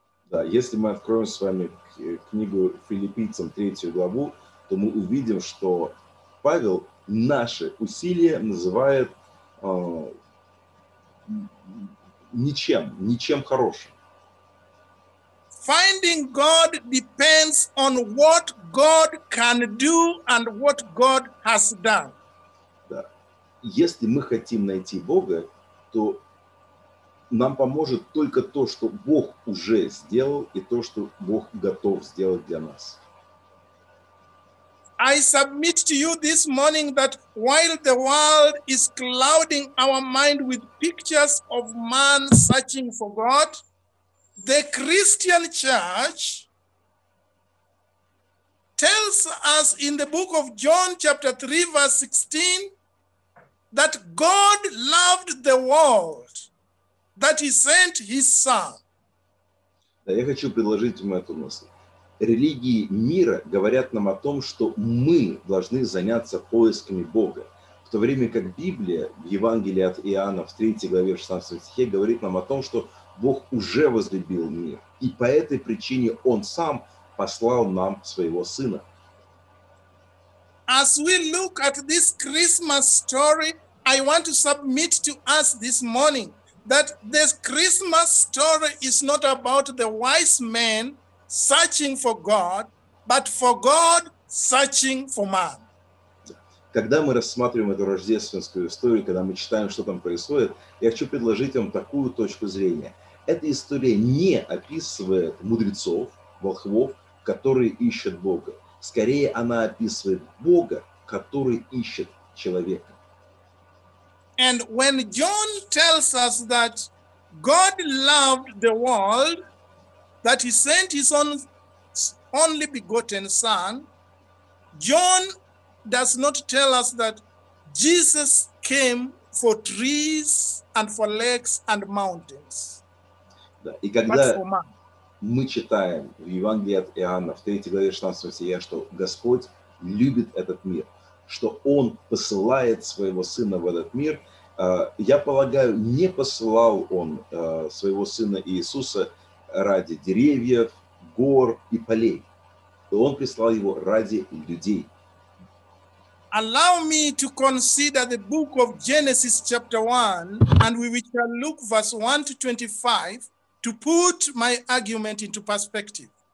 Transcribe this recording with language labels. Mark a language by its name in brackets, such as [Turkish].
[Russian] Да, если мы откроем с вами книгу Филиппийцам, 3 главу, то мы увидим, что Павел наши усилия называет ничем хорошим. [English] Finding God depends on what God can do and what God has done. [Russian] Да. Если мы хотим найти Бога, то нам поможет только то, что Бог уже сделал, и то, что Бог готов сделать для нас. [English] I submit to you this morning that while the world is clouding our mind with pictures of man searching for God, the Christian church tells us in the book of John chapter 3 verse 16 that God loved the world, that he sent his son. [Russian] Да, я хочу предложить вам эту мысль. Религии мира говорят нам о том, что мы должны заняться поисками Бога, в то время как Библия в Евангелии от Иоанна в 3 главе 16 стихе говорит нам о том, что Бог уже возлюбил мир, и по этой причине Он сам послал нам Своего Сына. [English] As we look at this Christmas story, I want to submit to us this morning that this Christmas story is not about the wise men searching for God, but for God searching for man. [Russian] Когда мы рассматриваем эту рождественскую историю, когда мы читаем, что там происходит, я хочу предложить вам такую точку зрения. Эта история не описывает мудрецов, волхвов, которые ищут Бога. Скорее, она описывает Бога, который ищет человека. [English] And when John tells us that God loved the world, that he sent his own only begotten son, John does not tell us that Jesus came for trees and for lakes and mountains. [Russian] Да, и когда мы читаем в Евангелии от Иоанна, в 3 главе 16 стихе, что Господь любит этот мир, что Он посылает Своего Сына в этот мир, я полагаю, не посылал Он Своего Сына Иисуса ради деревьев, гор и полей. Он прислал Его ради людей. [English] Allow me to consider the book of Genesis chapter 1, and we shall look verse 1 to 25, to put my argument into perspective.